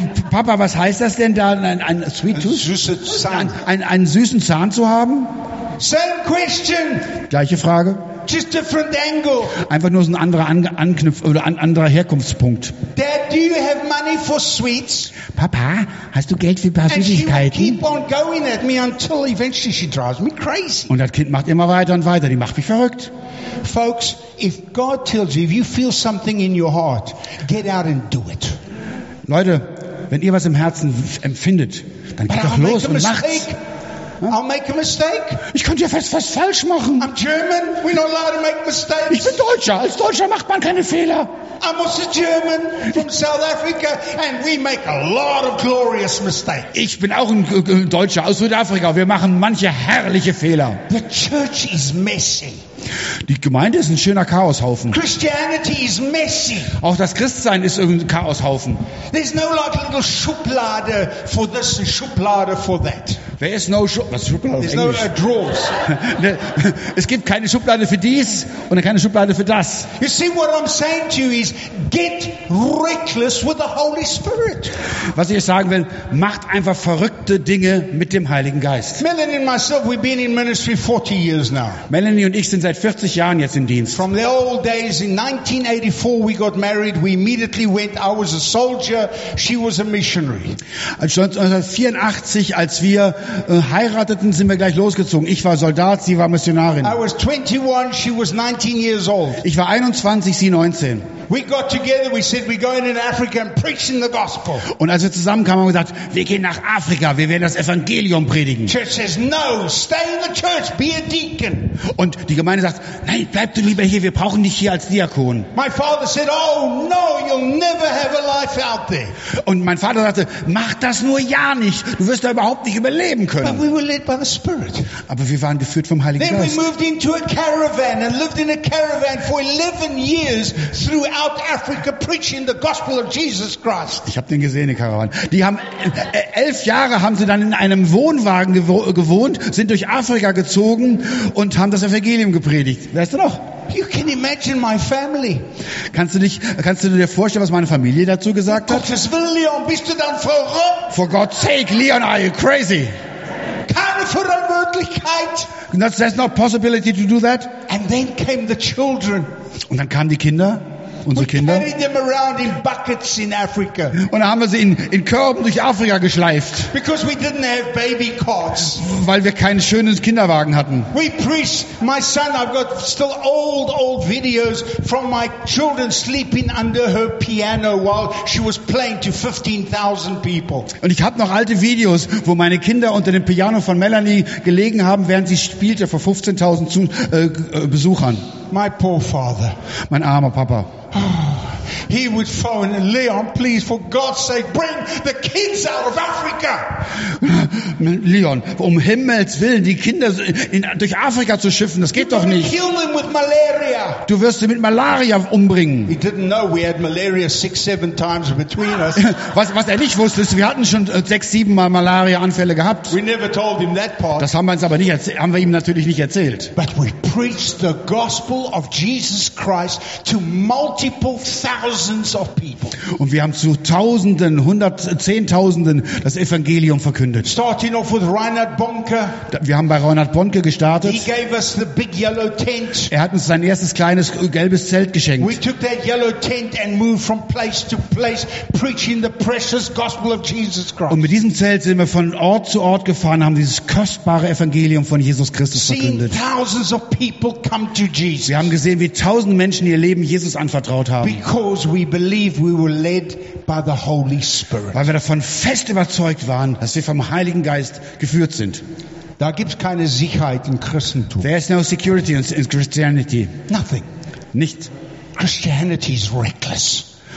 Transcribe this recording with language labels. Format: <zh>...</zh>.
<de>Papa, was heißt das denn da, ein</de> <en>sweet tooth?</en> <de>Einen süßen Zahn zu haben?</de> <en>Same question.</en> <de>Gleiche Frage.</de> <en>Just different angle.</en> <de>Einfach nur so ein anderer anderer Herkunftspunkt.</de> <en>Dad, do you have money for sweets?</en> <de>Papa, hast du Geld für ein paar Süßigkeiten?</de> <en>And she keep on going at me until eventually she drives me crazy.</en> <de>Und das Kind macht immer weiter und weiter. Die macht mich verrückt.</de> <en>Folks, if God tells you, if you feel something in your heart, get out and do it.</en> <de>Leute, wenn ihr was im Herzen empfindet, dann geht doch los und macht's.</de> <en>I'll make a mistake.</en> <de>Ich könnte ja fast falsch machen.</de> <en>I'm German. We're not allowed to make mistakes.</en> <de>Ich bin Deutscher. Als Deutscher macht man keine Fehler.</de> <en>I'm also German from South Africa and we make a lot of glorious mistakes.</en> <de>Ich bin auch ein Deutscher aus Südafrika. Wir machen manche herrliche Fehler.</de> <en>The church is messy.</en> <de>Die Gemeinde ist ein schöner Chaoshaufen.</de> <en>Christianity is messy.</en> <de>Auch das Christsein ist irgendein Chaoshaufen.</de> <en>There's no like little Schublade for this and Schublade for that. There is no</en> <de>was ist Schublade auf Englisch?</de> <en>No drawers.</en> <de>Es gibt keine Schublade für dies und keine Schublade für das.</de> <en>You see what I'm saying to you is get reckless with the Holy Spirit.</en> <de>Was ich sagen will, macht einfach verrückte Dinge mit dem Heiligen Geist.</de> <en>Melanie and myself, we've been in ministry 40 years now.</en> <de>Melanie und ich sind seit 40 Jahren jetzt im Dienst.</de> <en>From the old days in 1984 we got married, we immediately went, I was a soldier, she was a missionary.</en> <de>Als 1984, als wir heirateten, sind wir gleich losgezogen. Ich war Soldat, sie war Missionarin.</de> <en>I was 21, she was 19 years old.</en> <de>Ich war 21, sie 19.</de> <en>We got together, we said we're going in Africa and preaching the gospel.</en> <de>Und als wir zusammenkamen, haben wir gesagt, wir gehen nach Afrika, wir werden das Evangelium predigen.</de> <en>Church says no, stay in the church, be a deacon.</en> <de>Und die Gemeinde sagt, nein, bleib du lieber hier, wir brauchen dich hier als Diakon.</de> <en>My father said, oh no, you'll never have a life out there.</en> <de>Und mein Vater sagte, mach das nur ja nicht, du wirst da überhaupt nicht überleben können.</de> <en>But we were led by the Spirit.</en> <de>Aber wir waren geführt vom Heiligen</de> <en>Then</en> <de>Geist.</de> <en>Then we moved into a caravan and lived in a caravan for 11 years through out Africa preaching the gospel of Jesus Christ.</en> <de>Ich habe den gesehen, die Karawane. Die haben 11 Jahre haben sie dann in einem Wohnwagen gewohnt, sind durch Afrika gezogen und haben das Evangelium gepredigt. Weißt du noch?</de> <en>You can imagine my family.</en> <de>Kannst du dir vorstellen, was meine Familie dazu gesagt hat? Gottes Willen, Leon, bist du dann verrückt?</de> <en>For God's sake, Leon, are you crazy?</en> <de>Keine Verunmöglichkeit.</de> <en>There's no possibility to do that. And then came the children.</en> <de>Und dann kamen die Kinder. unsere Kinder.</de> <en>We carried them around in buckets in Africa.</en> <de>Und da haben wir sie in Körben durch Afrika geschleift.</de> <en>Because we didn't have baby cots.</en> <de>Weil wir keinen schönen Kinderwagen hatten.</de> <en>We preached, my son, I've got still old videos from my children sleeping under her piano while she was playing to 15,000 people.</en> <de>Und ich habe noch alte Videos, wo meine Kinder unter dem Piano von Melanie gelegen haben, während sie spielte vor 15.000 Besuchern.</de> <en>My poor father.</en> <de>Mein armer Papa.</de> <en>He would phone and Leon, please, for God's sake, bring the kids out of Africa.</en> <de>Leon, um Himmels Willen, die Kinder durch Afrika zu schiffen, das geht doch nicht.</de> <en>Kill them with malaria.</en> <de>Du wirst sie mit Malaria umbringen.</de> <en>He didn't know we had malaria 6-7 times between us.</en> <de>Was er nicht wusste, ist, wir hatten schon 6-7 Mal Malaria-Anfälle gehabt.</de> <en>We never told him that part.</en> <de>Das haben wir uns aber nicht haben wir ihm natürlich nicht erzählt.</de> <en>But we preached the gospel of Jesus Christ to multiple thousands of people.</en> <de>Und wir haben zu Tausenden, Zehntausenden das Evangelium verkündet.</de> <en>Starting off with Reinhard Bonnke.</en> <de>Wir haben bei Reinhard Bonnke gestartet.</de> <en>He gave us the big yellow tent.</en> <de>Er hat uns sein erstes kleines gelbes Zelt geschenkt.</de> <en>We took that yellow tent and moved from place to place preaching the precious gospel of Jesus Christ.</en> <de>Und mit diesem Zelt sind wir von Ort zu Ort gefahren, haben dieses kostbare Evangelium von Jesus Christus verkündet.</de> <en>Thousands of people come to Jesus.</en> <de>Wir haben gesehen, wie tausend Menschen ihr Leben Jesus anvertraut haben.</de> <en>Because we believe we were led by the Holy Spirit.</en> <de>Weil wir davon fest überzeugt waren, dass wir vom Heiligen Geist geführt sind. Da gibt's keine Sicherheit im Christentum.</de> <en>There is no security in Christianity. Nothing.</en> <de>Nicht.</de> <en>Christianity is reckless.</en>